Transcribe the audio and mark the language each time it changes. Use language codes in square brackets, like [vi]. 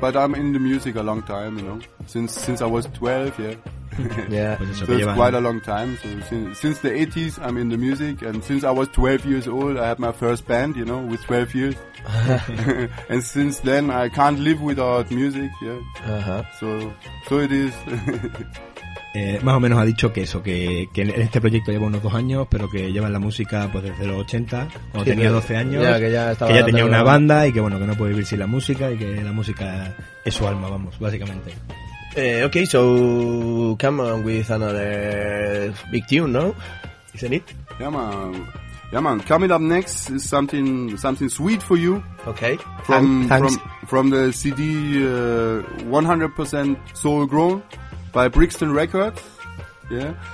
[en] But I'm in the music a long time, you know, since I was 12, yeah. Yeah, so it's quite a long time. So since the 80s, I'm in the music, and since I was 12 years old, I had my first band, you know, with 12 years. And since then, I can't live without music. Yeah. Uh-huh. So it is. [es] Más o menos ha dicho que eso, que en este proyecto lleva unos 2 años, pero que lleva la música pues desde los 80, cuando sí, tenía 12 años, ya, que ya, estaba que ya tenía una banda y que bueno, que no puede vivir sin la música y que la música es su alma, vamos, básicamente. [en] Okay, so come on with another big tune, no? Isn't it? Yeah, man. Coming up next is something sweet for you. Okay. From the CD 100% Soul Grown by Brixton Records. Yeah.